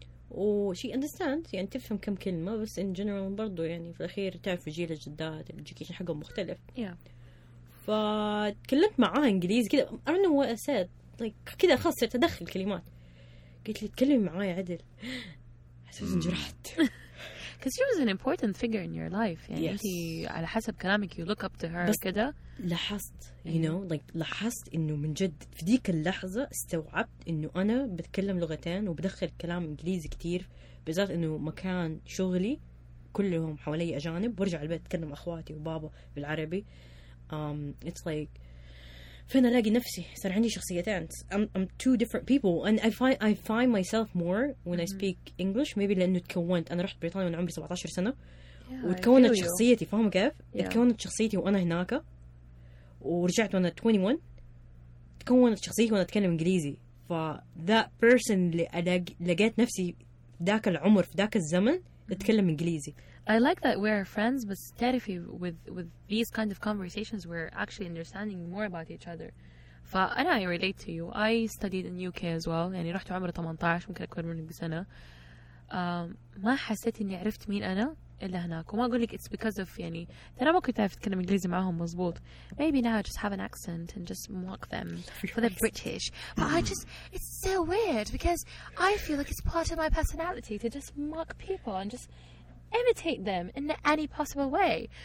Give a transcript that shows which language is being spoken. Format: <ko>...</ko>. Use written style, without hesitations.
<ar>وشي</ar> <en>understands</en> <ar>يعني تفهم كم كلمة, بس</ar> <en>in general</en> <ar>برضو يعني في الأخير تعرف جيل الجدات الجيكيشن حقهم مختلف. فتكلمت معاها إنجليزي كده.</ar> <en>I don't know what I said. Like</en> <ar>كده خاصة تدخل كلمات. قلت لي تكلمي معايا عدل. حسيت انجرحت.</ar> <en>Because she was an important figure in your life.</en> <ar>يعني</ar> <en>yes.</en> <ar>على حسب كلامك</ar> <en>you look up to her.</en> <ar>بس كده لاحظت لاحظت انه من جد في ديك اللحظة استوعبت انه انا بتكلم لغتين وبدخل كلام انجليزي كتير, بالذات انه مكان شغلي كلهم حوالي اجانب, برجع البيت اتكلم اخواتي وبابا بالعربي.</ar> <en>It's like</en> <ar>فين ألاقي نفسي؟ صار عندي شخصيتين.</ar> <en>I'm two different people and I find myself more when I speak English. Maybe</en> <ar>لأنه تكونت, أنا رحت بريطانيا وأنا عمري 17 سنة وتكونت شخصيتي, فاهم كيف؟ تكونت شخصيتي وأنا هناك ورجعت وأنا 21, تكونت شخصيتي وأنا أتكلم إنجليزي. ف</ar> <en>that person</en> <ar>اللي لقيت نفسي ذاك العمر في ذاك الزمن أتكلم إنجليزي.</ar> <en>I like that we're friends, but tarifi with these kind of conversations we're actually understanding more about each other.</en> <ar>فأنا</ar> <en>I relate to you. I studied in UK as well.</en> <ar>يعني رحت عمري 18, ممكن أكبر منك بسنة. ما حسيت إني عرفت مين أنا إلا هناك. وما أقول لك</ar> <en>it's because of</en> <ar>يعني ترى ما كنت أعرف أتكلم إنجليزي معهم مزبوط.</ar> <en>Maybe now I just have an accent and just mock them for the British. But I just it's so weird because I feel like it's part of my personality to just mock people and just imitate them in any possible way.</en>